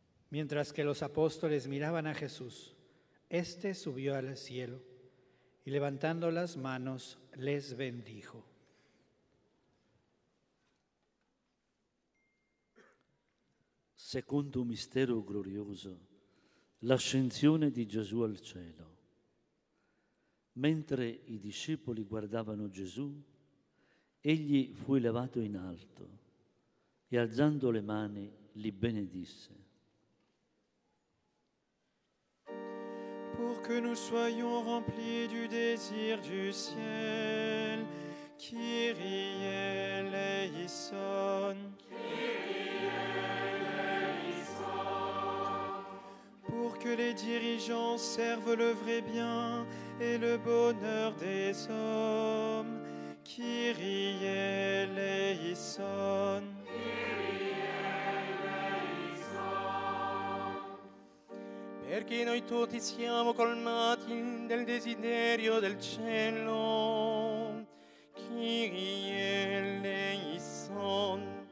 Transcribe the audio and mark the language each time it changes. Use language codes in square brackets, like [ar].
[es] Mientras que los apóstoles miraban a Jesús, éste subió al cielo y levantando las manos les bendijo. [it] Secondo mistero glorioso, l'ascensione di Gesù al cielo. Mentre i discepoli guardavano Gesù, egli fu elevato in alto e alzando le mani li benedisse. [fr] Pour que nous soyons remplis du désir du ciel, Kyrie eleison. Pour que les dirigeants servent le vrai bien et le bonheur des hommes, Kyrie eleison. [it] Perché noi tutti siamo colmati del desiderio del cielo, Kyrie eleison.